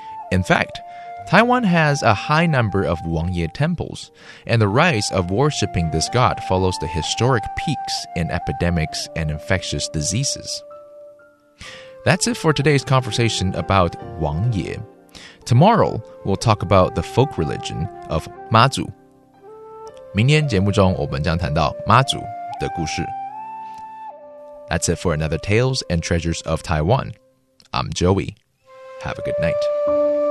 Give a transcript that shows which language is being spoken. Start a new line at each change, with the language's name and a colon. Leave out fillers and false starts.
English: In fact, Taiwan has a high number of Wanye temples, and the rise of worshipping this god follows the historic peaks in epidemics and infectious diseases. That's it for today's conversation about Wanye. Tomorrow, we'll talk about the folk religion of 妈祖。
Chinese: 明天节目中我们将谈到妈祖的故事。
English: That's it for another Tales and Treasures of Taiwan. I'm Joey. Have a good night.